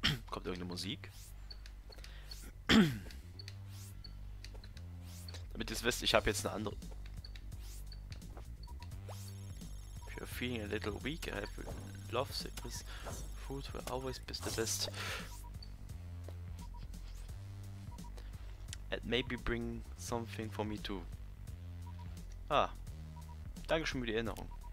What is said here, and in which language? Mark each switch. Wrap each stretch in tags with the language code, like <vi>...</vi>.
<de>Kommt irgendeine Musik? Damit ihr es wisst, ich habe jetzt eine andere.</de> <en>Feeling a little weak, I have love sickness. Food will always be the best. And maybe bring something for me too. Ah.</en> <de>Dankeschön für die Erinnerung.</de>